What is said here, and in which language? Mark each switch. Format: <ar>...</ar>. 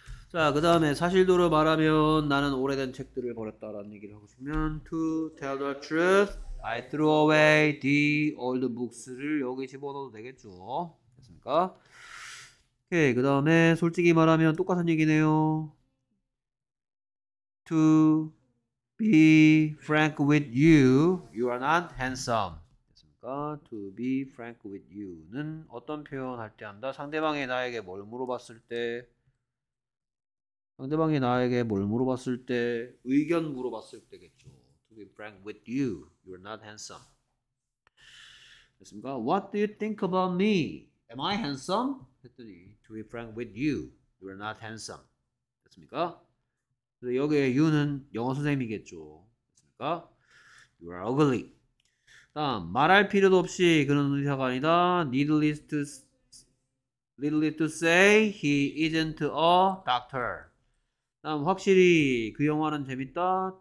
<ko>자, 그 다음에 사실대로 말하면 나는 오래된 책들을 버렸다라는 얘기를 하고 싶으면</ko> <en>To tell the truth, I threw away the old books</en> <ko>를 여기 집어넣어도 되겠죠. 됐습니까? 오케이, 그 다음에 솔직히 말하면 똑같은 얘기네요.</ko> <en>To be frank with you, you are not handsome. To be frank with you</en> <ko>는 어떤 표현할 때 한다? 상대방이 나에게 뭘 물어봤을 때, 상대방이 나에게 뭘 물어봤을 때, 의견 물어봤을 때겠죠.</ko> <en>To be frank with you, you're not handsome.</en> <ko>됐습니까?</ko> <en>What do you think about me? Am I handsome?</en> <ko>했더니,</ko> <en>To be frank with you, you're not handsome.</en> <ko>됐습니까? 그래서 여기에 you는 영어 선생님이겠죠. 됐습니까?</ko> <en>You are ugly.</en> <ko>다음, 말할 필요도 없이 그는 의사가 아니다.</ko> <en>Needless to say, he isn't a doctor.</en> <ko>다음, 확실히 그 영화는 재밌다.</ko>